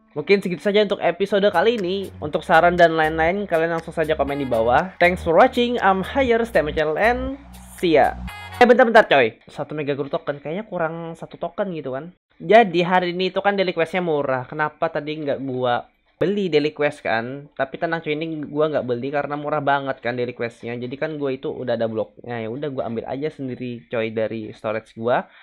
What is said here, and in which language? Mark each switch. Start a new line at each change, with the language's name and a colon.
Indonesian: Mungkin segitu saja untuk episode kali ini. Untuk saran dan lain-lain kalian langsung saja komen di bawah.
English: Thanks for watching, I'm Higher Stemma Channel and see ya.
Indonesian: Eh bentar-bentar coy, 1 mega grow token kayaknya kurang 1 token gitu kan. Jadi hari ini itu kan daily questnya murah. Kenapa tadi nggak gua beli daily quest kan? Tapi tenang cuy, ini gua nggak beli karena murah banget kan daily questnya. Jadi kan gua itu udah ada bloknya, ya udah gua ambil aja sendiri coy dari storage gua.